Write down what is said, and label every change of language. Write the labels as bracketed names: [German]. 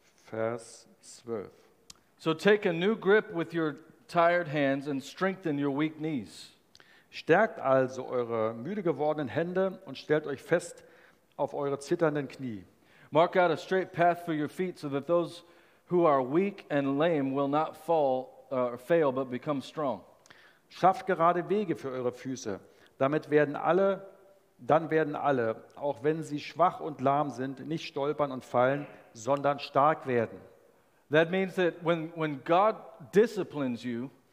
[German] Vers [English] 12. So take a new grip with your tired hands and strengthen your weak knees. [German] Stärkt also eure müde gewordenen Hände und stellt euch fest auf eure zitternden Knie. [English] Mark out a straight path for your feet so that those who are weak and lame will not fail but become strong. [German] Schafft gerade Wege für eure Füße, dann werden alle, auch wenn sie schwach und lahm sind, nicht stolpern und fallen, sondern stark werden. [English] That means that when God disciplines you,